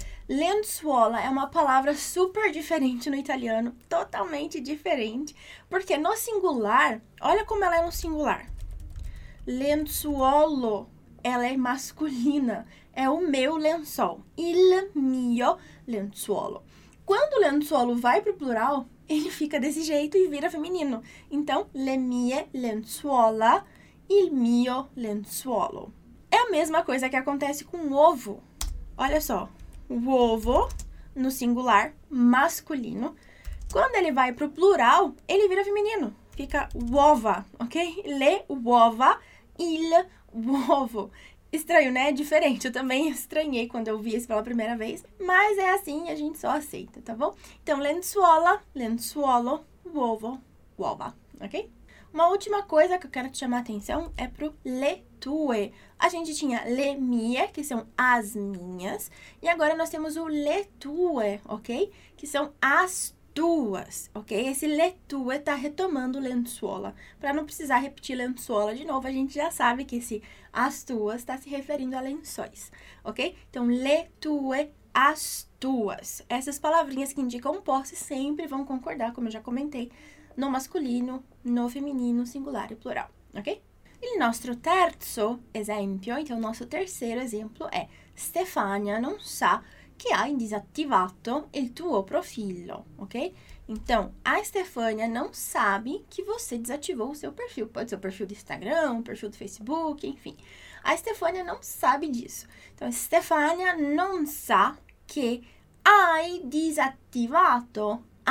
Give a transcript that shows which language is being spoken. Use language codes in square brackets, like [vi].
[pt] Lenzuola é uma palavra super diferente no italiano, totalmente diferente, porque no singular, olha como ela é no singular. Lenzuolo, ela é masculina, é o meu lençol. [it] Il mio lenzuolo. [pt] Quando o lenzuolo vai para o plural, ele fica desse jeito e vira feminino. Então, [it] le mie lenzuola, il mio lenzuolo. [pt] É a mesma coisa que acontece com ovo. Olha só. O ovo, no singular, masculino. Quando ele vai para o plural, ele vira feminino. Fica uova, ok? [it] Le uova, il uovo. [pt] Estranho, né? Diferente. Eu também estranhei quando eu vi isso pela primeira vez. Mas é assim, a gente só aceita, tá bom? Então, lenzuola, lenzuolo, uovo, uova, ok? Uma última coisa que eu quero te chamar a atenção é pro le tue. A gente tinha le mie, que são as minhas, e agora nós temos o le tue, ok? Que são as tuas, ok? Esse le tue tá retomando lenzuola. Para não precisar repetir lenzuola de novo, a gente já sabe que esse as tuas tá se referindo a lençóis, ok? Então, le tue As tuas. Essas palavrinhas que indicam posse sempre vão concordar, como eu já comentei, no masculino, no feminino, singular e plural, ok? [it] Il nostro terzo esempio, [pt] então o nosso terceiro [it] esempio è Stefania non sa che hai disattivato il tuo profilo, ok? [pt] Então, a Stefania non sabe che você disattivou o seu perfil. Pode ser o perfil do Instagram, o perfil do Facebook, enfim. A Stefania non sabe disso. Então, [it] Stefania non sa che hai disattivato.